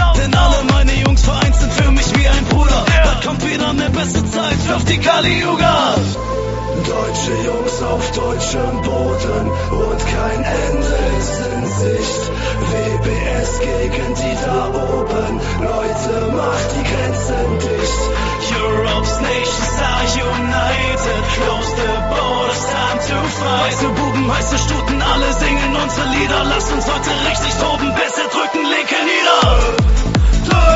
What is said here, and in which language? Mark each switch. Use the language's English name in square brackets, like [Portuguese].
[German] Denn alle meine Jungs vereint sind für mich wie ein Bruder. Bald kommt wieder eine bessere Zeit, wirf die Kali-Yuga. Deutsche Jungs auf deutschem Boden und kein Ende ist in Sicht. WBS gegen die da oben, Leute, macht die Grenzen dicht. [English] Europe's nations are united, close the borders, time to fight. [German] Weiße Buben, heiße Stuten, alle singen unsere Lieder. Lasst uns heute richtig toben, Bässe drücken, linke nieder.